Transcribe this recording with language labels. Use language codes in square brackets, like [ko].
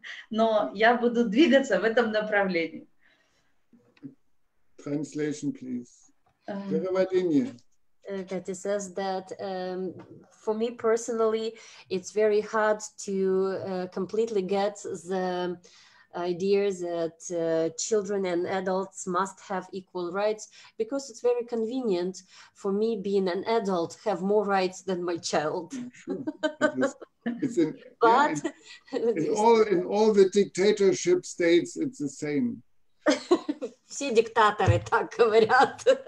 [ru] Но я буду двигаться в этом направлении. [en] Translation, please. [ru] Переводение. [en] That it says that for me personally, it's very hard to completely get the idea that children and adults must have equal rights, because it's very convenient for me, being an adult, have more rights than my child. In all the dictatorship states, it's the same. [ru] Все диктаторы так говорят.